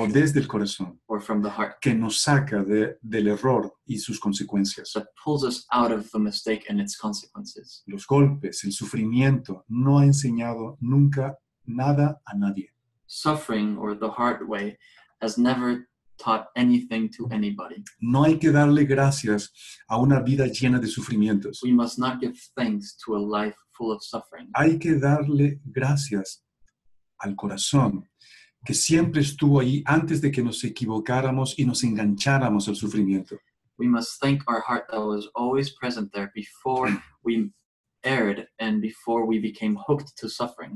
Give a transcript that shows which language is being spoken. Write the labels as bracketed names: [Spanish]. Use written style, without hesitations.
[Spanish] O desde el corazón. [English] Or from the heart. [Spanish] Que nos saca del error y sus consecuencias. [English] That pulls us out of the mistake and its consequences. [Spanish] Los golpes, el sufrimiento, no ha enseñado nunca nada a nadie. [English] Suffering, or the hard way, has never taught anything to anybody. [Spanish] No hay que darle gracias a una vida llena de sufrimientos. [English] We must not give thanks to a life full of suffering. [Spanish] Hay que darle gracias al corazón que siempre estuvo ahí antes de que nos equivocáramos y nos engancháramos al sufrimiento. [English] We must thank our heart that was always present there before we erred and before we became hooked to suffering.